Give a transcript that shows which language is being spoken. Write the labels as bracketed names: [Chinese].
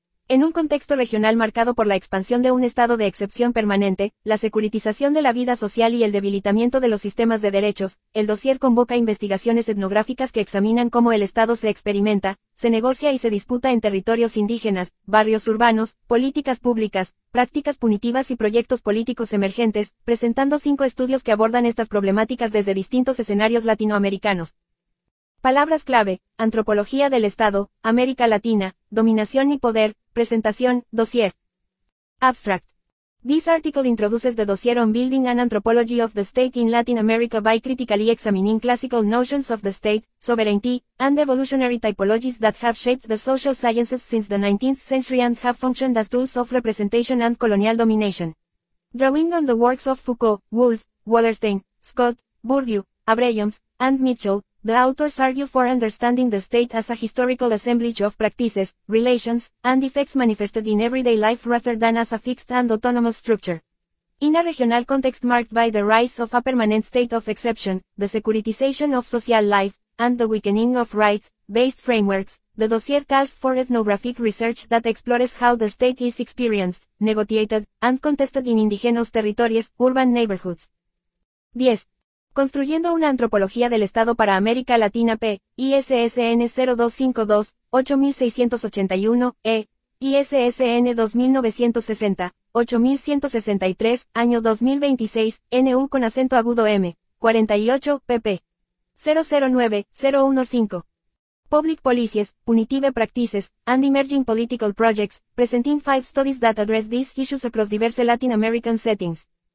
[Spanish] En un contexto regional marcado por la expansión de un estado de excepción permanente, la securitización de la vida social y el debilitamiento de los sistemas de derechos, el dossier convoca investigaciones etnográficas que examinan cómo el Estado se experimenta, se negocia y se disputa en territorios indígenas, barrios urbanos, políticas públicas, prácticas punitivas y proyectos políticos emergentes, presentando 5 estudios que abordan estas problemáticas desde distintos escenarios latinoamericanos. Palabras clave: antropología del Estado, América Latina, dominación y poder, presentación, dossier. [English] Abstract. This article introduces the dossier on building an anthropology of the state in Latin America by critically examining classical notions of the state, sovereignty, and evolutionary typologies that have shaped the social sciences since the 19th century and have functioned as tools of representation and colonial domination. Drawing on the works of Foucault, Wolff, Wallerstein, Scott, Bourdieu, Abrahams, and Mitchell, the authors argue for understanding the state as a historical assemblage of practices, relations, and effects manifested in everyday life rather than as a fixed and autonomous structure. In a regional context marked by the rise of a permanent state of exception, the securitization of social life, and the weakening of rights-based frameworks, the dossier calls for ethnographic research that explores how the state is experienced, negotiated, and contested in indigenous territories, urban neighborhoods. [Spanish] 10. Construyendo una antropología del Estado para América Latina, P. ISSN 0252-8681-E, ISSN 2960-8163, año 2026, NU con acento agudo M, 48, pp. 009-015. [English] Public Policies, Punitive Practices, and Emerging Political Projects, Presenting 5 Studies that Address These Issues Across Diverse Latin American Settings.